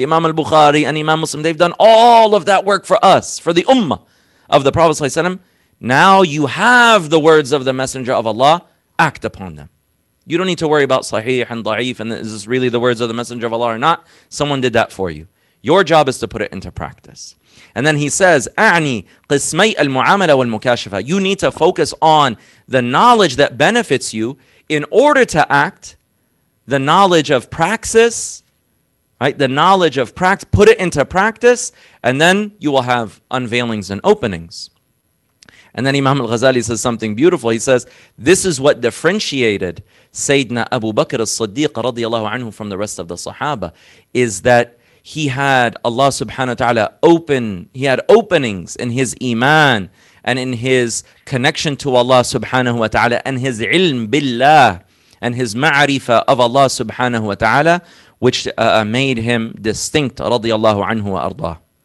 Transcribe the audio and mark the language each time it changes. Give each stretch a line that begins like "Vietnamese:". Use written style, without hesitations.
English: Imam al-Bukhari and Imam Muslim, they've done all of that work for us, for the ummah of the Prophet ﷺ. Now you have the words of the Messenger of Allah. Act upon them. You don't need to worry about sahih and da'if and is this really the words of the Messenger of Allah or not. Someone did that for you. Your job is to put it into practice. And then he says,
Arabic: أعني قسمي المعاملة والمكاشفة.
English: You need to focus on the knowledge that benefits you in order to act, the knowledge of praxis, right? The knowledge of practice, put it into practice, and then you will have unveilings and openings. And then Imam al-Ghazali says something beautiful. He says, this is what differentiated Sayyidina Abu Bakr as-Siddiq radiallahu anhu from the rest of the Sahaba, is that he had Allah subhanahu wa ta'ala open, he had openings in his iman and in his connection to Allah subhanahu wa ta'ala and his ilm billah and his ma'rifah of Allah subhanahu wa ta'ala, which made him distinct radiyallahu anhu wa ardah.